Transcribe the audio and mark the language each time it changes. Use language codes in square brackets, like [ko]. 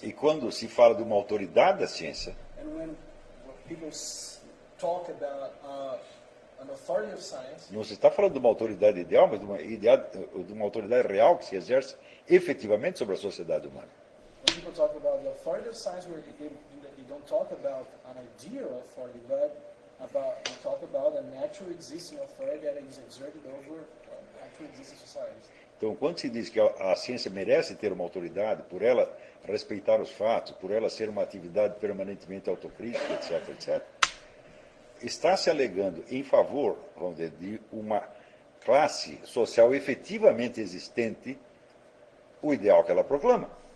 [pt] E quando se fala de uma autoridade da ciência... [en] And when people talk about... An authority of science. [pt] Não se está falando de uma autoridade ideal, mas de uma autoridade real que se exerce efetivamente sobre a sociedade humana. [en] When people talk about the authority of science, they don't talk about an ideal authority, but they talk about a natural existing authority that is exerted over actual existing societies. [pt] Então, quando se diz que a ciência merece ter uma autoridade, por ela respeitar os fatos, por ela ser uma atividade permanentemente autocrítica, etc., etc., está se alegando em favor, vamos dizer, de uma classe social efetivamente existente, o ideal que ela proclama.